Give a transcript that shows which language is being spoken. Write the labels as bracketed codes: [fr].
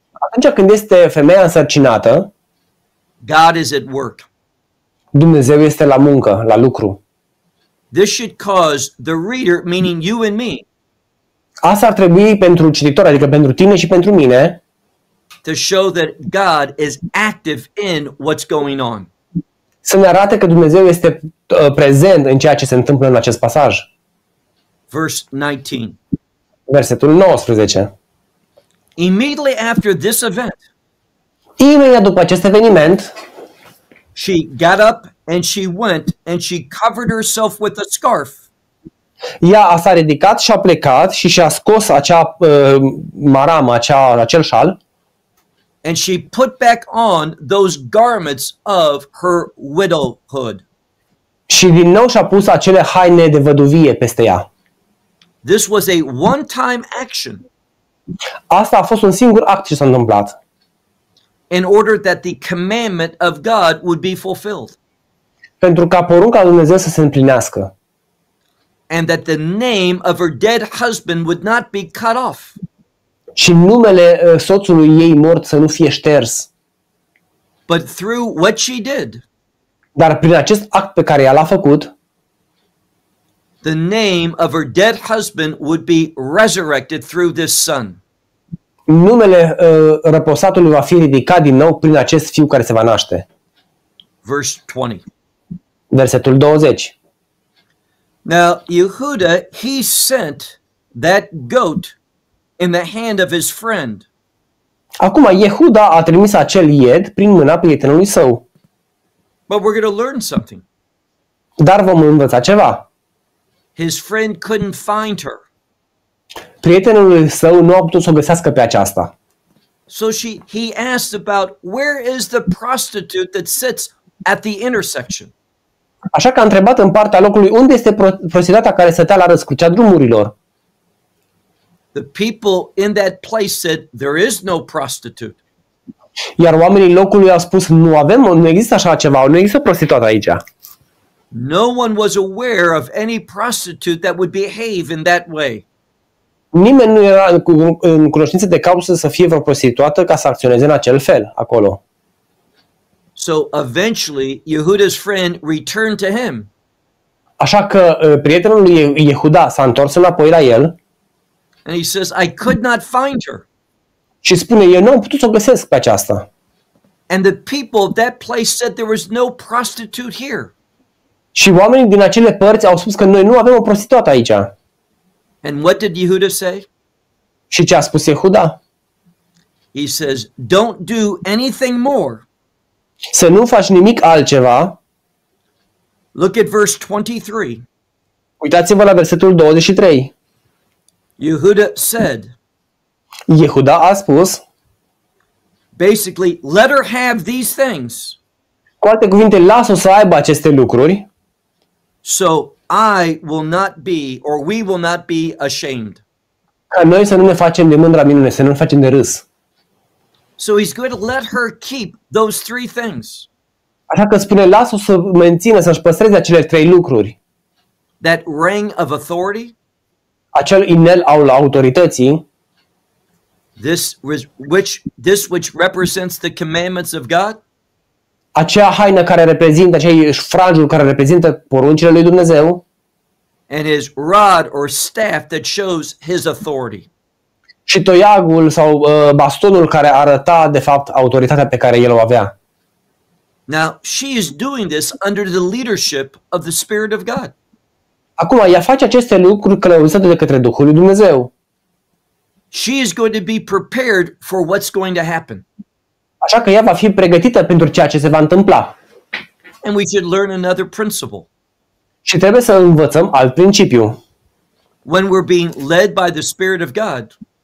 [ro] atunci când este femeia însărcinată, [en] God is at work. [ro] Dumnezeu este la muncă, la lucru. [en] This should cause the reader, meaning you and me. [ro] Asta ar trebui pentru cititor, adică pentru tine și pentru mine, [en] to show that God is active in what's going on. [ro] Să ne arate că Dumnezeu este prezent în ceea ce se întâmplă în acest pasaj. [en] Verse 19. [ro] Versetul 19. [en] Immediately after this event. [ro] Imediat după acest eveniment, [en] she got up and she went and she covered herself with a scarf. [ro] Ea s-a ridicat și a plecat și și-a scos acea maramă, acel șal. [en] And she put back on those garments of her widowhood. [ro] Și din nou și-a pus acele haine de văduvie peste ea. [en] This was a one-time action. [ro] Asta a fost un singur act ce s-a întâmplat. [en] In order that the commandment of God would be fulfilled. [ro] pentru ca porunca lui Dumnezeu să se împlinească. [en] And that the name of her dead husband would not be cut off. [ro] Și numele soțului ei mort să nu fie șters. [en] But through what she did. [ro] Dar prin acest act pe care ea l-a făcut, [en] the name of her dead husband would be resurrected through this son. [ro] Numele răposatului va fi ridicat din nou prin acest fiu care se va naște. Versetul 20. [en] Now, Yehuda, he sent that goat in the hand of his friend. [ro] Acum, Yehuda a trimis acel ied prin mâna prietenului său. [en] But we're going to learn something. [ro] Dar vom învăța ceva. [en] His friend couldn't find her. [ro] Prietenul său nu a putut să o găsească pe aceasta. [en] So he asked about where is the prostitute that sits at the intersection. [ro] Așa că a întrebat în partea locului unde este prostituata care stătea la răscrucea drumurilor. [en] The people in that place said there is no prostitute. [ro] Iar oamenii locului au spus nu avem, nu există așa ceva, nu există prostituată aici. [en] No one was aware of any prostitute that would behave in that way. [ro] Nimeni nu era în cunoștință de cauză să fie vreo prostituată ca să acționeze în acel fel acolo. [en] So eventually Yehuda's friend returned to him. [ro] Așa că prietenul lui Yehuda s-a întors înapoi la el. [en] And he says I could not find her. [ro] Și spune eu nu am putut să o găsesc pe aceasta. [en] And the people of that place said there was no prostitute here. [ro] Și oamenii din acele părți au spus că noi nu avem o prostituată aici. [en] And what did Yehuda say? [ro] Și ce a spus Yehuda? [en] He says, don't do anything more. [ro] Să nu faci nimic altceva. [en] Look at verse 23. [ro] Uitați-vă la versetul 23. [en] Yehuda said. [ro] Yehuda a spus. [en] Basically, let her have these things. [ro] Cu alte cuvinte, lasă-o să aibă aceste lucruri. [en] So I will not be, or we will not be ashamed. [ro] Ca noi să nu ne facem de mândra minune, să nu ne facem de râs. [en] So he's going to let her keep those three things. [ro] Așa că spune, lasă-o să mențină, să-și păstreze acele trei lucruri. [en] That ring of authority. [ro] Acel inel al autorității. [en] This which represents the commandments of God. [ro] Acea haină care reprezintă, acea franjul care reprezintă poruncile lui Dumnezeu. [en] And his rod or staff that shows his authority. [ro] Și toiagul sau bastonul care arăta de fapt autoritatea pe care el o avea. [en] Now, she is doing this under the leadership of the Spirit of God. [ro] Acum ea face aceste lucruri călăuzită de către Duhul lui Dumnezeu. [en] She is going to be prepared for what's going to happen. [ro] Așa că ea va fi pregătită pentru ceea ce se va întâmpla. [en] And we should learn another principle. [ro] Și trebuie să învățăm alt principiu. [en] When we're being led by the Spirit of God,